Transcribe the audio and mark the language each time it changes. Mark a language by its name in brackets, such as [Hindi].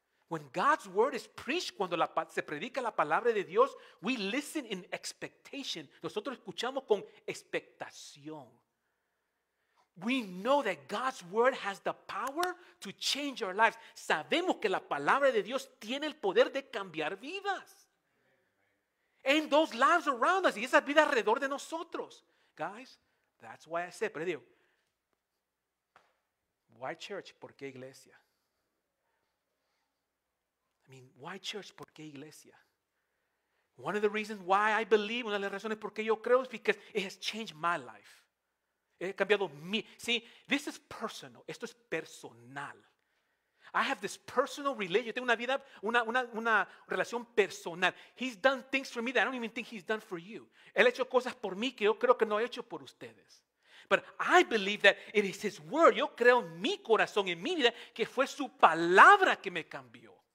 [English] When God's word is preached, [Spanish] cuando se predica la palabra de Dios, [English] we listen in expectation. [Spanish] Nosotros escuchamos con expectación. [English] We know that God's word has the power to change our lives. [Spanish] Sabemos que la palabra de Dios tiene el poder de cambiar vidas. [English] And those lives around us, [Spanish] y esas vidas alrededor de nosotros. [English] Guys, that's why I said, [Spanish] pero digo, [English] why church? [Spanish] ¿Por qué iglesia? [English] I mean, why church? [Spanish] ¿Por qué iglesia? [English] One of the reasons why I believe, [Spanish] una de las razones por qué yo creo, [English] is because it has changed my life. It has [Spanish] cambiado mi. [English] See, this is personal. [Spanish] Esto es personal. [English] I have this personal relationship. [Spanish] Yo tengo una vida, una relación personal. [English] He's done things for me that I don't even think he's done for you. [Spanish] Él ha hecho cosas por mí que yo creo que no ha hecho por ustedes. [English] But I believe that it is his word. [Spanish] Yo creo en mi corazón, en mi vida, que fue su palabra que me cambió.